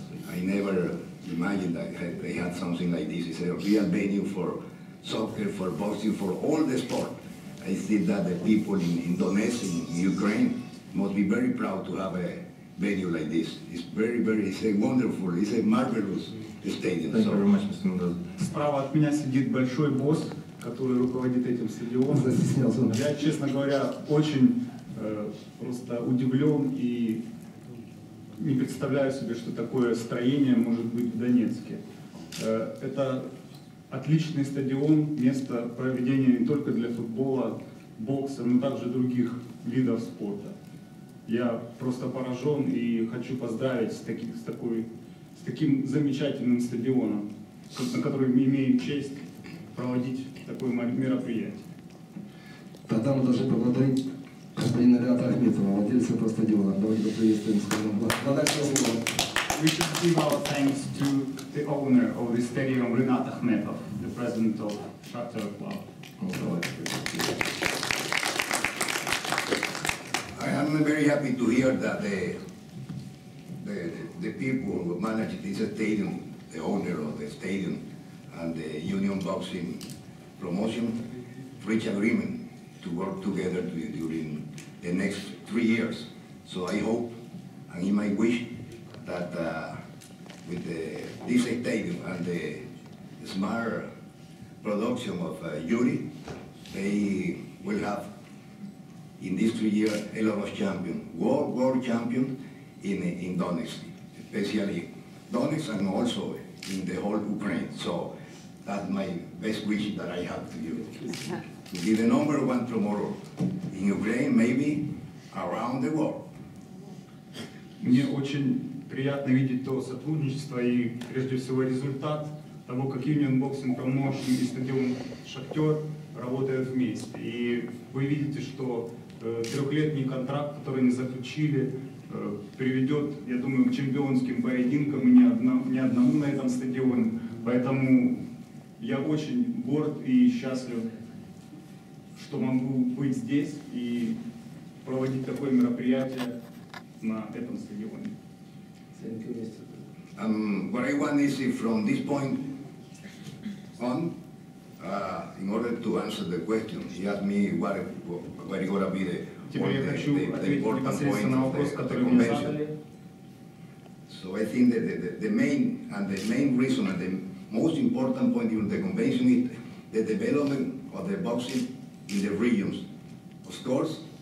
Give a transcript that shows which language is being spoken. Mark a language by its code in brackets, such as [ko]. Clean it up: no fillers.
[en] I never imagined that they had something like this. It's a real venue for soccer, for boxing, for all the sport. I see that the people in Donetsk, in Ukraine, must be very proud to have a venue like this. It's very, very, it's a wonderful, it's a marvelous stadium. Thank you very much, Mr. Mendoza. [ru] Справа от меня сидит большой босс, который руководит этим стадионом. Я, честно говоря, очень просто удивлен и не представляю себе, что такое строение может быть в Донецке. Это отличный стадион, место проведения не только для футбола, бокса, но также других видов спорта. Я просто поражен и хочу поздравить с таким замечательным стадионом, на который мы имеем честь проводить такое мероприятие. Тогда мы должны поблагодарить господина Рената Ахметова, владельца этого стадиона. Давайте поприветствуем, скажем, благодарю. [en] We should give our thanks to the owner of the stadium, Ренат Ахметов, the president of Shakhtar Club. I'm very happy to hear that the people who manage this stadium, the owner of the stadium and the Union Boxing Promotion, reach agreement to work together during the next 3 years. So I hope and in my wish that with this stadium and the smart production of Yuri, they will have in these 3 years, a lot of champions, world champions in Donetsk, especially Donetsk and also in the whole Ukraine. So that's my best wish that I have to you. To be the number one tomorrow in Ukraine, maybe around the world. [ru] Мне очень приятно видеть то сотрудничество и, прежде всего, результат того, как Union Boxing Promotion и стадион Шахтер работают вместе. И вы видите, что трехлетний контракт, который они заключили, приведет, я думаю, к чемпионским поединкам и ни одному на этом стадионе. Поэтому я очень горд и счастлив, что могу быть здесь и проводить такое мероприятие на этом стадионе. [en] What I want to see from this point on, in order to answer the question, he asked me what is going to be the So I think that the main reason and the most important point during the convention is the development of the boxing in the regions, of course,